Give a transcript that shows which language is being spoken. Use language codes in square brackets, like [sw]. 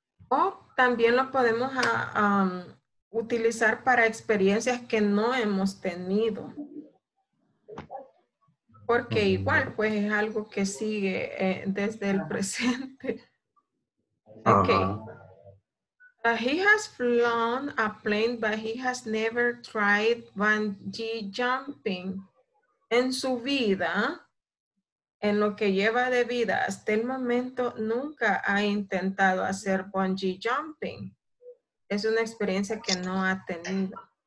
[es] O también lo podemos utilizar para experiencias que no hemos tenido. Porque igual, pues, es algo que sigue desde el presente. Okay. [en] He has flown a plane, but he has never tried bungee jumping. [es] En su vida, en lo que lleva de vida hasta el momento, nunca ha intentado hacer bungee jumping. Es una experiencia que no ha tenido.